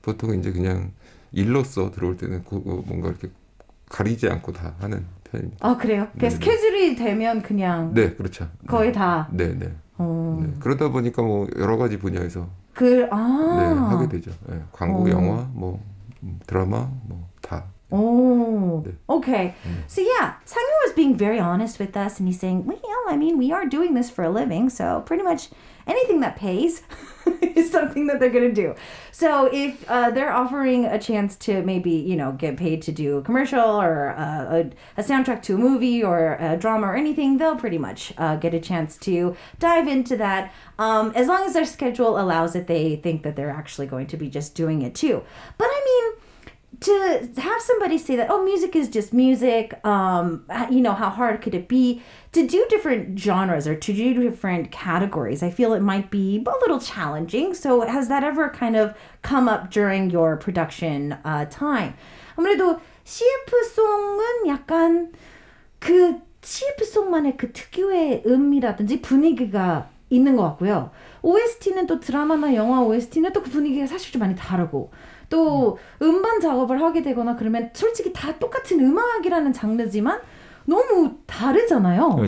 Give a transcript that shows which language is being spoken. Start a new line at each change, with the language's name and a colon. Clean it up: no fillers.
Korean: 보통은 이제 그냥 일로서 들어올 때는 뭔가 이렇게 가리지 않고 다 하는 편입니다. 아 그래요? 네네. 스케줄이 되면 그냥 네 그렇죠. 거의 네. 다 네네. 네. 그러다 보니까 뭐 여러 가지 분야에서 그 아 네, 하게 되죠. 네. 광고, 영화, 뭐 드라마, 뭐 다.
English: Oh, okay. So yeah, Sang-yu was being very honest with us, and he's saying, well, I mean, we are doing this for a living, so pretty much anything that pays is something that they're going to do. So if they're offering a chance to maybe, you know, get paid to do a commercial or a soundtrack to a movie or a drama or anything, they'll pretty much get a chance to dive into that. As long as their schedule allows it, they think that they're actually going to be just doing it too. But I mean, to have somebody say that, oh, music is just music, you know, how hard could it be to do different genres or to do different categories? I feel it might be a little challenging. So has that ever kind of come up during your production time?
Korean: 아무래도 CF 송은 약간 그 CF 송만의 그 특유의 음이라든지 분위기가 있는 것 같고요. OST는 또 드라마나 영화 OST는 또 그 분위기가 사실 좀 많이 다르고 또 음반 작업을 하게 되거나 그러면 솔직히 다 똑같은 음악이라는 장르지만 너무 다르잖아요.